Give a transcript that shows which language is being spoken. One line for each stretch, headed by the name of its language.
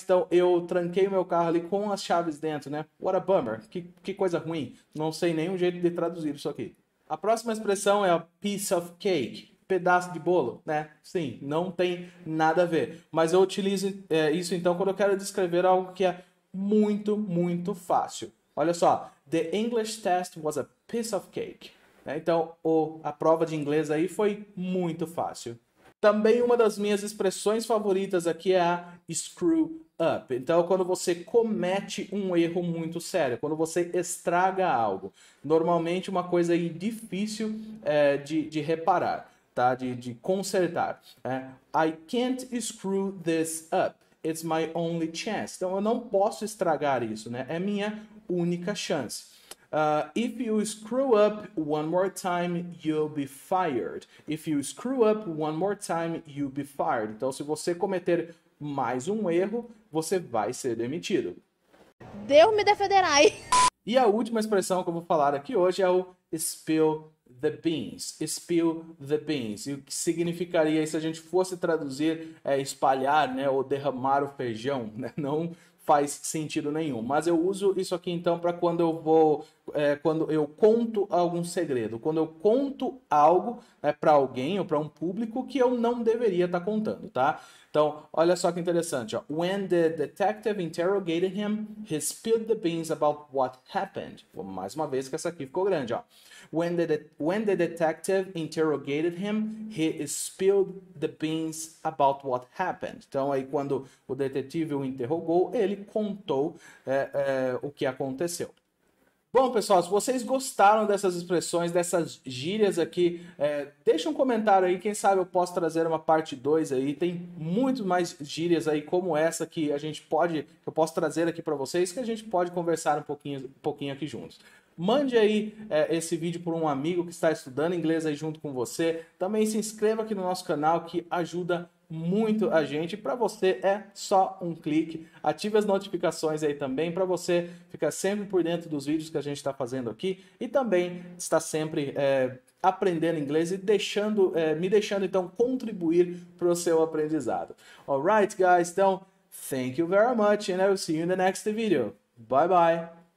Portuguese: Então, eu tranquei meu carro ali com as chaves dentro, né?
English: What a bummer.
Portuguese: Que coisa ruim. Não sei nenhum jeito de traduzir isso aqui. A próxima expressão é a piece of cake. Pedaço de bolo, né? Sim, não tem nada a ver. Mas eu utilizo isso então quando eu quero descrever algo que é muito, muito fácil. Olha só,
English: the English test was a piece of cake.
Portuguese: Né? Então, a prova de inglês aí foi muito fácil. Também uma das minhas expressões favoritas aqui é a screw up. Então, quando você comete um erro muito sério, quando você estraga algo. Normalmente, uma coisa aí difícil de reparar. Tá? De consertar. É,
English: I can't screw this up. It's my only chance.
Portuguese: Então eu não posso estragar isso, né? É minha única chance.
English: If you screw up one more time, you'll be fired. If you screw up one more time, you'll be fired.
Portuguese: Então se você cometer mais um erro, você vai ser demitido. Deus me defenderá aí. E a última expressão que eu vou falar aqui hoje é o spill the beans, spill the beans. E o que significaria se a gente fosse traduzir é espalhar, né, ou derramar o feijão, né? Não faz sentido nenhum. Mas eu uso isso aqui então para quando eu vou, quando eu conto algum segredo, quando eu conto algo, né, para alguém ou para um público que eu não deveria estar contando, tá? Então, olha só que interessante, ó.
English: When the detective interrogated him, he spilled the beans about what happened.
Portuguese: Vou mais uma vez que essa aqui ficou grande, ó.
English: When the detective interrogated him, he spilled the beans about what happened.
Portuguese: Então, aí, quando o detetive o interrogou, ele contou o que aconteceu. Bom, pessoal, se vocês gostaram dessas expressões, dessas gírias aqui, deixa um comentário aí. Quem sabe eu posso trazer uma parte 2 aí. Tem muito mais gírias aí, como essa, que a gente pode, que eu posso trazer aqui para vocês, que a gente pode conversar um pouquinho aqui juntos. Mande aí esse vídeo para um amigo que está estudando inglês aí junto com você. Também se inscreva aqui no nosso canal, que ajuda muito a gente. Para você é só um clique. Ative as notificações aí também, para você ficar sempre por dentro dos vídeos que a gente está fazendo aqui. E também está sempre aprendendo inglês e deixando, me deixando então contribuir para o seu aprendizado.
English: Alright, guys,
Portuguese: então,
English: thank you very much, and I will see you in the next video. Bye bye.